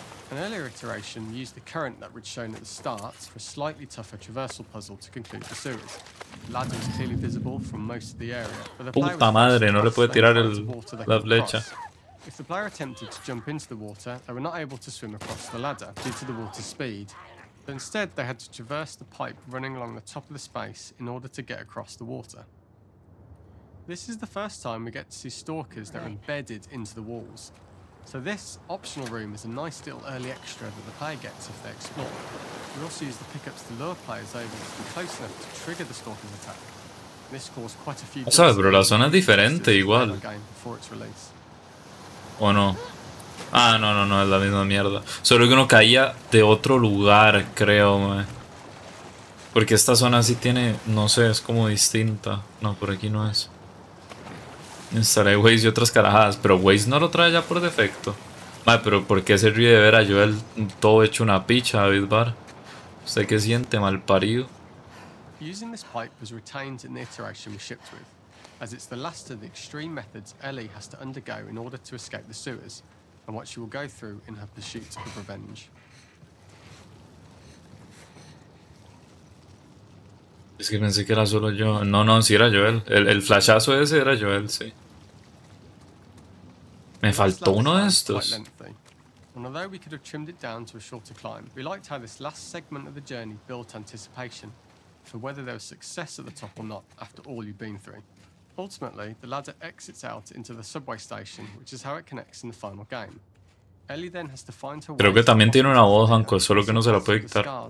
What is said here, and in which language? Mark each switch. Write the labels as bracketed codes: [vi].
[en] An earlier iteration used the current that we'd shown at the start for a slightly tougher traversal puzzle to conclude the sewers. Ladder was clearly visible from most of the area, but the [es] puta madre, no le puede tirar la flecha. [en] If the player attempted to jump into the water, they were not able to swim across the ladder due to the water's speed. But instead, they had to traverse the pipe running along the top of the space in order to get across the water. This is the first time we get to see stalkers that are embedded into the walls. So this optional room is a nice little early extra that the player gets if they explore. We also use the pickups to lure players over to be close enough to trigger the stalker's attack. This caused quite a few... [es] O sea, pero la zona es diferente igual. ... [en] before its release. [es] ¿O no? Ah, no, no, no, es la misma mierda. Solo que uno caía de otro lugar, creo, man. Porque esta zona sí tiene, no sé, es como distinta. No, por aquí no es. Instalé Waze y otras carajadas. Pero Waze no lo trae ya por defecto. Man, pero ¿por qué se ríe de ver a Joel todo hecho una picha, David Barr? ¿Usted qué siente, mal parido? [en] Using this pipe was retained in the iteration we shipped with, as it's the last of the extreme methods Ellie has to undergo in order to escape the sewers, and what she will go through in her pursuit of revenge. [es] Es que pensé que era solo yo. No, no, sí era Joel. El flashazo ese era Joel, sí. Me faltó uno de estos. [en] And although we could have trimmed it down to a shorter climb, we liked how this last segment of the journey built anticipation for whether there was success at the top or not after all you've been through. Ultimately, the ladder exits out into the subway station, which is how it connects in the final game. Ellie then has to find her way. [es] Creo que también tiene una voz, Hanco, solo que no se la puede quitar.